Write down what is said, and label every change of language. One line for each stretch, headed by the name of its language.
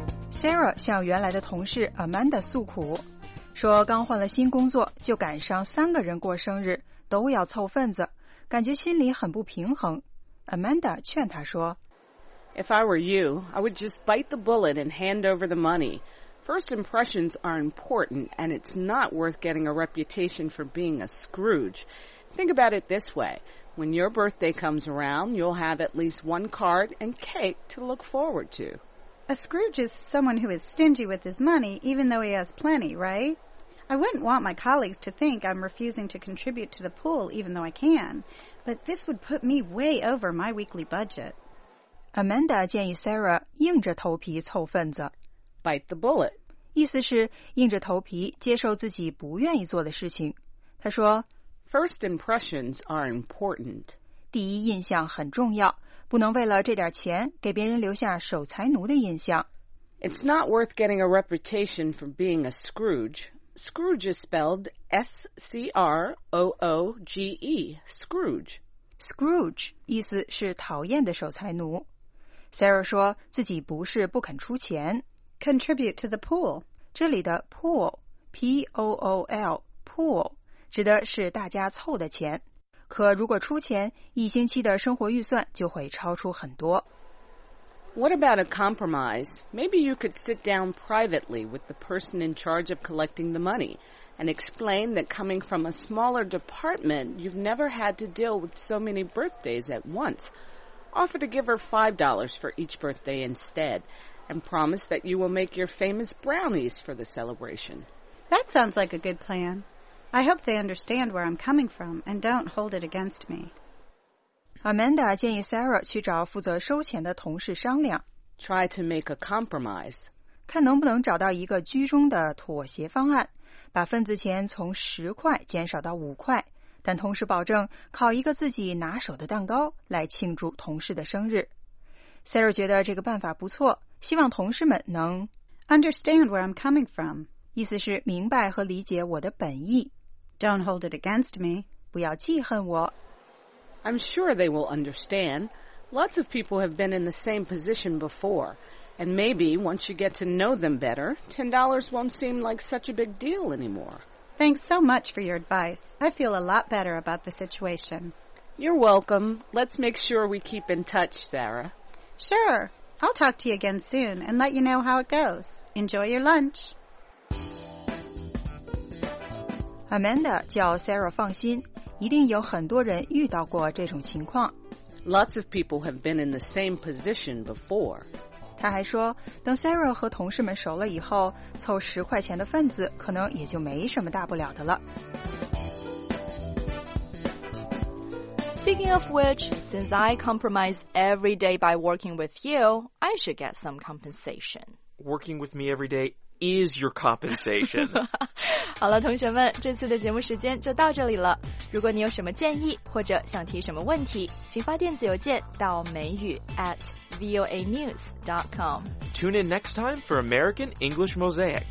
Chinese: Sarah 向原来的同事 Amanda 诉苦，说刚换了新工作就赶上三个人过生日，都要凑份子，感觉心里很不平衡。 Amanda 劝她说，
English: If I were you, I would just bite the bullet and hand over the money. First impressions are important, and it's not worth getting a reputation for being a Scrooge. Think about it this way. When your birthday comes around, you'll have at least one card and cake to look forward to. A Scrooge is someone who is stingy with his money, even though he has plenty, right? I wouldn't want my colleagues to think I'm refusing to contribute to the pool, even though I can. But this would put me way over my weekly budget.
Chinese: Amanda 建议 Sarah 硬着头皮凑份子。
English: Bite the bullet.
Chinese: 意思是硬着头皮接受自己不愿意做的事情。她说，
English: First impressions are important.
Chinese: 第一印象很重要。不能为了这点钱给别人留下守财奴的印象。
English: It's not worth getting a reputation for being a Scrooge. Scrooge is spelled S-C-R-O-O-G-E, Scrooge.
Chinese: Scrooge 意思是讨厌的守财奴。Sarah 说自己不是不肯出钱。
English: Contribute to the pool.
Chinese: 这里的 pool, P-O-O-L, pool, 指的是大家凑的钱。可如果出钱，一星期的生活预算就会超出很多。
English: What about a compromise? Maybe you could sit down privately with the person in charge of collecting the money and explain that coming from a smaller department, you've never had to deal with so many birthdays at once. Offer to give her $5 for each birthday instead and promise that you will make your famous brownies for the celebration. That sounds like a good plan. I hope they understand where I'm coming from and don't hold it against me.
Chinese: Amanda 建议 Sarah 去找负责收钱的同事商量。
English: Try to make a compromise.
Chinese: 看能不能找到一个居中的妥协方案，把份子钱从十块减少到五块，但同时保证烤一个自己拿手的蛋糕来庆祝同事的生日。 Sarah 觉得这个办法不错，希望同事们能
English: Understand where I'm coming from.
Chinese: 意思是明白和理解我的本意。
English: Don't hold it against me.
Chinese: 不要记恨我。
English: I'm sure they will understand. Lots of people have been in the same position before. And maybe once you get to know them better, $10 won't seem like such a big deal anymore. Thanks so much for your advice. I feel a lot better about the situation. You're welcome. Let's make sure we keep in touch, Sarah. Sure. I'll talk to you again soon and let you know how it goes. Enjoy your lunch.
Chinese: Amanda 叫 Sarah 放心，一定有很多人遇到过这种情况。
English: Lots of people have been in the same position before.
Chinese: 他还说，等 Sarah 和同事们熟了以后，凑十块钱的份子可能也就没什么大不了的了。
English: Speaking of which, since I compromise every day by working with you, I should get some compensation. Working with me every day? Is your compensation.
Chinese: 好了同学们，这次的节目时间就到这里了。如果你有什么建议或者想提什么问题，请发电子邮件到美语 @voanews.com.
English: Tune in next time for American English Mosaic.